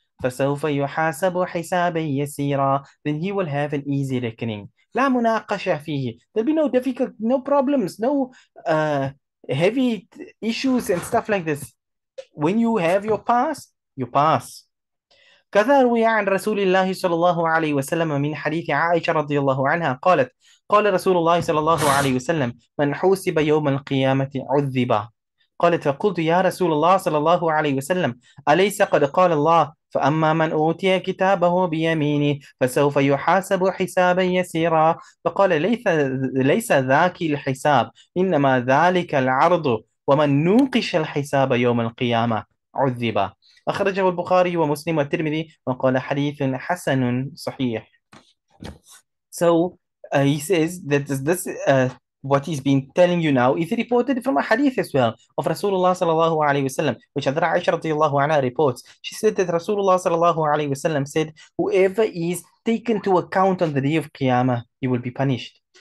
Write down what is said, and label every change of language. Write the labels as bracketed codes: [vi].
[ar] فسوف يحاسب حسابا يسيرا. [en] Then he will have an easy reckoning. [ar] لا مناقشة فيه. [en] There'll be no difficult, no problems, no heavy issues and stuff like this. When you have your pass, you pass. [ar] كذا روي عن رسول الله صلى الله عليه وسلم من حديث عائشة رضي الله عنها قالت قال رسول الله صلى الله عليه وسلم من حوسب يوم القيامة عذب. قالت فقلت يا رسول الله صلى الله عليه وسلم أليس قد قال الله فأما من أوتي كتابه بيمينه فسوف يحاسب حسابا يسيرا. فقال ليس ذاك الحساب، إنما ذلك العرض، ومن نوقش الحساب يوم القيامة عذب. أخرجه البخاري ومسلم والترمذي وقال حديث حسن صحيح. [en] So he says that this what he's been telling you now is reported from a hadith as well of Rasulullah sallallahu alayhi wasallam, which Hadhrat Aisha radiallahu anha reports. She said that Rasulullah sallallahu alayhi wasallam said, whoever is taken to account on the day of Qiyamah, he will be punished.